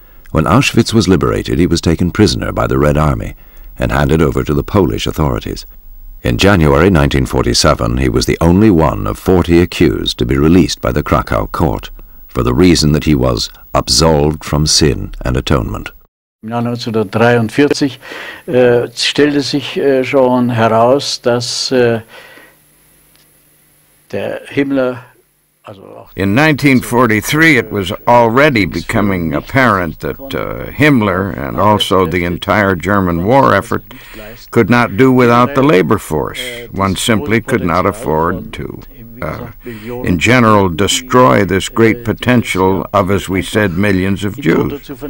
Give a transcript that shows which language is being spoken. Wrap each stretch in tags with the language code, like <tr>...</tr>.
<en>When Auschwitz was liberated, he was taken prisoner by the Red Army and handed over to the Polish authorities. In January 1947, he was the only one of 40 accused to be released by the Krakow court for the reason that he was absolved from sin and atonement.</en> <de>Im Jahr 1943 stellte sich schon heraus, dass der Himmler...</de> <en>In 1943, it was already becoming apparent that Himmler and also the entire German war effort could not do without the labor force. One simply could not afford to, in general, destroy this great potential of, as we said, millions of Jews.</en>